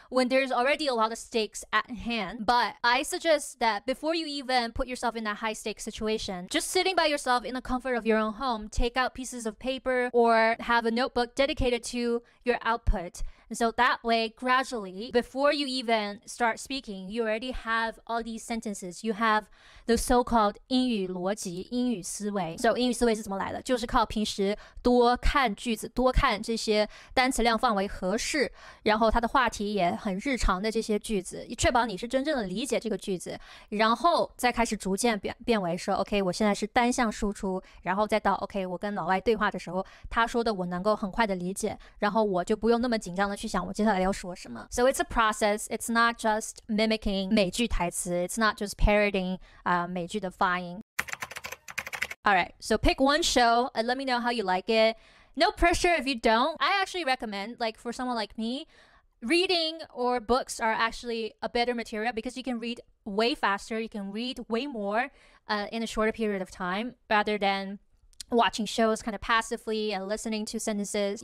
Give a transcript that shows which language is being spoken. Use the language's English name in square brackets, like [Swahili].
[English] When there's already a lot of stakes at hand. But I suggest that before you even put yourself in that high-stakes situation, just sitting by yourself in the comfort of your own home, take out pieces of paper or have a notebook dedicated to your output. And so that way, gradually, before you even start speaking, you already have all these sentences. You have the so-called [Chinese] called 英语逻辑，英语思维。 So 英语思维是怎么来的？就是靠平时多看句子，多看这些单词量范围合适，然后它的话题也很日常的这些句子，确保你是真正的理解这个句子，然后再开始逐渐变为说 OK 我现在是单向输出，然后再到 OK 我跟老外对话的时候，他说的我能够很快的理解，然后我就不用那么紧张的去想我接下来要说什么。 [English] So it's a process, it's not just mimicking [Chinese] 美剧台词， [English] it's not just parodying [Chinese] 美剧的发音。 [English] Alright, so pick one show and let me know how you like it. No pressure if you don't. I actually recommend, like, for someone like me, reading or books are actually a better material because you can read way faster, you can read way more in a shorter period of time rather thanwatching shows kind of passively and listening to sentences.